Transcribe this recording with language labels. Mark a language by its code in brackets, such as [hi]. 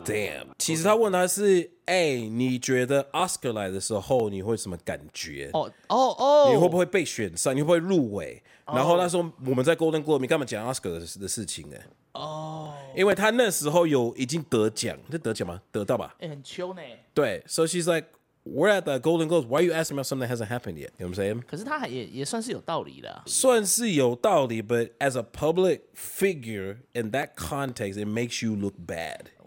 [zh] Damn. 其实他问他是，哎，你觉得 Oscar 来的时候你会什么感觉？哦哦哦！你会不会被选上？你会不会入围？然后那时候我们在 Golden Globe， 你干嘛讲 Oscar 的事情呢？哦，因为他那时候有已经得奖，是得奖吗？得到吧？哎，很秋呢。对， [en] so she's like。 We're at the Golden Globes. Why are you asking about something that hasn't happened yet? You know what I'm saying? [zh] 可是他也算是有道理的，算是有道理， [en] but as a public figure in that context, it makes you look bad.